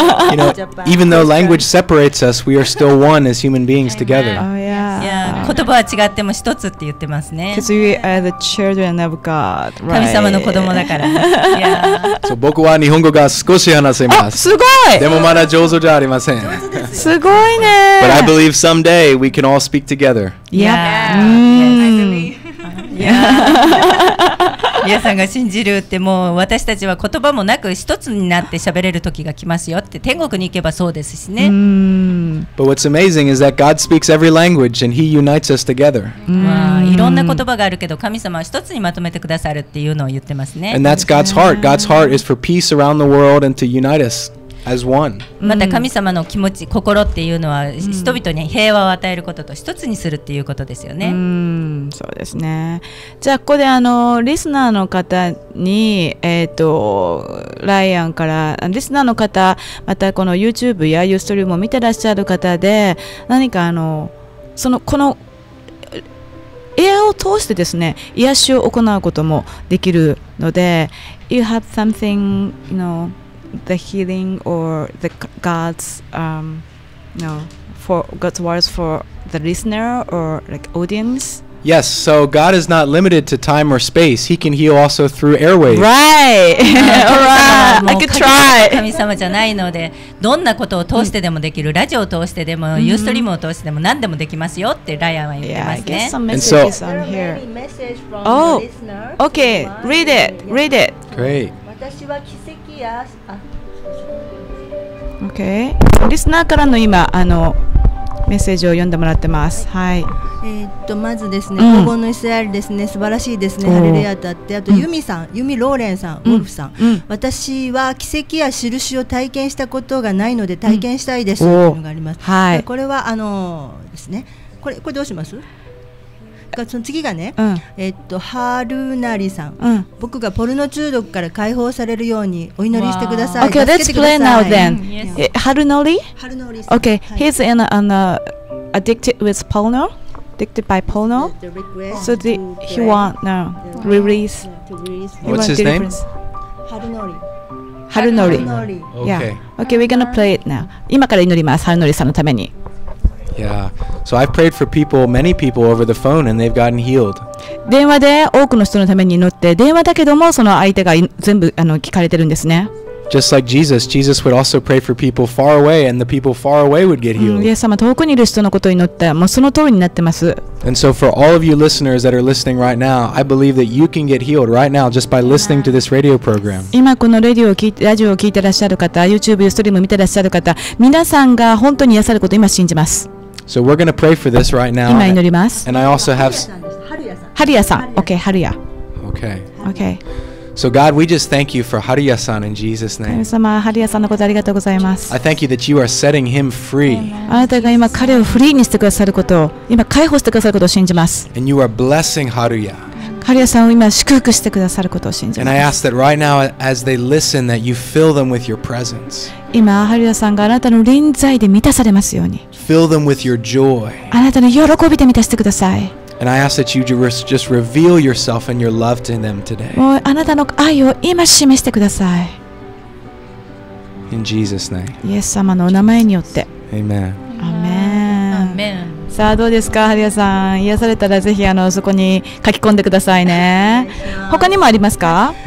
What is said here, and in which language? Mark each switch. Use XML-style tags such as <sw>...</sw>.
<en>You know, even though language separates us, we are still one as human beings together. Oh, yeah.</en> <ja>Yeah. 言葉は違っても一つって言ってますね。</ja> <en>Because we are the children of God, right?</en> <ja>神様の子供だから。そう、僕は日本語が少し話せます。あ、すごい。でもまだ上手じゃありません。上手ですよ。すごいね。</ja> <en>But I believe someday we can all speak together. Yeah. Yeah.</en> <ja>皆さんが信じるって、もう私たちは言葉もなく一つになって喋れる時が来ますよって、天国に行けばそうですしね。</ja> <en>But what's amazing is that God speaks every language and He unites us together.</en> <ja>いろんな言葉があるけど、神様は一つにまとめてくださるっていうのを言ってますね。</ja> <en>And that's God's heart. God's heart is for peace around the world and to unite us. As one.</en> <ja>また神様の気持ち、心っていうのは人々に平和を与えることと一つにするっていうことですよね。そうですね。じゃあここであのリスナーの方に、ライアンから、リスナーの方、またこの YouTube や Ustream を見てらっしゃる方で、何かあのそのこのエアを通してですね、癒しを行うこともできるので、</ja> <en>You have something, you knowThe healing or the God's, no, for God's words for the listener or like audience? Yes, so God is not limited to time or space. He can heal also through airwaves. Right! Alright! I could try!</en> <ja>神様じゃないので、どんなことを通してでもできる、ラジオを通してでも、ユーストリームを通してでも何でもできますよってライアンは言ってますね。</ja> <en>Yeah, I get some messages on here. There are many messages from the listener. Oh, okay, read it, read it. Great.</en> <ja>私は奇跡や、あ、OK、リスナーからの今あのメッセージを読んでもらってます。はい。まずですね、黄金のイスラエルですね、素晴らしいですね、ハレルヤだって、あとユミさん、ユミローレンさん、ウルフさん、私は奇跡や印を体験したことがないので体験したいですというのがあります。はい。これはあのですね、これどうします？その次がね、ハルナリさん、僕がポルノ中毒から解放されるようにお祈りしてください。</ja> <en>Okay, let's play now then. ハルノリ？</en> <ja>ハルノリ。</ja> <en>Okay, he's in an addicted with porno, addicted by porno. So he want now release. What's his name?</en> <ja>ハルノリ。ハルノリ。</ja> <en>Okay. Okay, we're gonna play it now.</en> <ja>今から祈ります。ハルノリさんのために。</ja> <en>Yeah. So I've prayed for people, many people over the phone and they've gotten healed.</en> <ja>電話で多くの人のために祈って、電話だけどもその相手が全部あの聞かれてるんですね。</ja> <en>Just like Jesus, Jesus would also pray for people far away and the people far away would get healed.</en> <ja>イエス様、遠くにいる人のことを祈った。もうその通りになってます。</ja> <en>And so for all of you listeners that are listening right now, I believe that you can get healed right now just by listening to this radio program.</en> <ja>今このラジオを聞いてらっしゃる方、YouTube ストリームを見てらっしゃる方、皆さんが本当に癒されることを今信じます。</ja> <en>So we're going to pray for this right now.</en> <ja>今祈ります。</ja> <en>And I also have...</en> <ja>ハリヤさん。Okay, ハリヤ。</ja> <en>Okay. Okay. So God, we just thank you for Haruya-san in Jesus' name.</en> <ja>神様、ハリヤさんのことありがとうございます。</ja> <en>I thank you that you are setting him free.</en> <ja>あなたが今彼をフリーにしてくださることを、今解放してくださることを信じます。</ja> <en>And you are blessing Haruya.</en> <ja>ハリヤさんを今祝福してくださることを信じます。</ja> <en>And I ask that right now, as they listen, that you fill them with your presence.</en> <ja>今ハリヤさんがあなたの臨在で満たされますように。</ja> <en>Fill them with your joy.</en> <ja>あなたの喜びで満たしてください。</ja> <en>And I ask that you just reveal yourself and your love to them today.</en> <ja>もうあなたの愛を今示してください。</ja> <en>In Jesus' name.</en> <ja>イエス様のお名前によって。</ja> <en>Amen. Amen. Amen.</en> <ja>さあどうですか、ハリアさん。癒されたらぜひあのそこに書き込んでくださいね。他にもありますか。</ja>